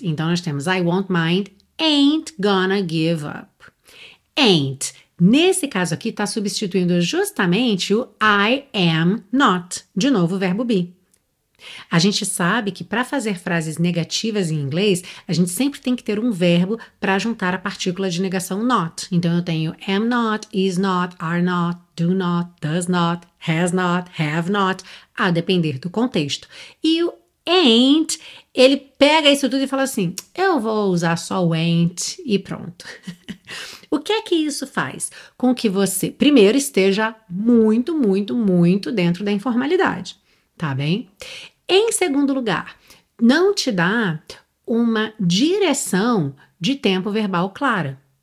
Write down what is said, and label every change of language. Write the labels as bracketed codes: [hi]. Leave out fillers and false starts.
[pt] Então, nós temos [en] I won't mind, ain't gonna give up. Ain't. [pt] Nesse caso aqui, está substituindo justamente o I am not. De novo, o verbo be. A gente sabe que para fazer frases negativas em inglês, a gente sempre tem que ter um verbo para juntar a partícula de negação not. Então, eu tenho am not, is not, are not, do not, does not, has not, have not, a depender do contexto. E o ain't, ele pega isso tudo e fala assim, eu vou usar só o ain't e pronto. O que é que isso faz com que você, primeiro, esteja muito, muito, muito dentro da informalidade, tá bem? Em segundo lugar, não te dá uma direção de tempo verbal clara.